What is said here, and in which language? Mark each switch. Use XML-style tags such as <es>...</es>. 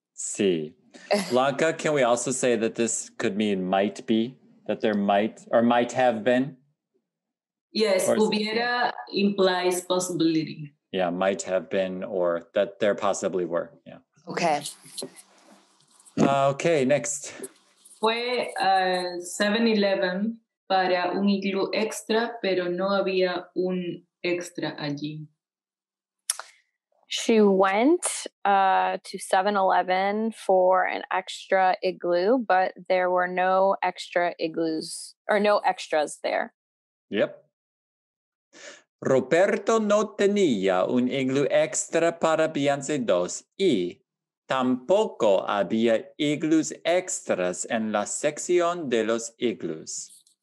<es>Sí.</es> <en>Blanca, can we also say that this could mean might be? That there might or might have been? Yes, hubiera implies possibility. Yeah, might have been or that there possibly were. Yeah. Okay. Okay, next.</en> <es>Fue a 7-Eleven para un iglú extra, pero no había un extra allí.</es> <en>She went to 7-Eleven for an extra igloo, but there were no extra igloos or no extras there. Yep.</en> <es>Roberto no tenía un igloo extra para Beyoncé 2 y tampoco había igloos extras en la sección de los igloos.</es>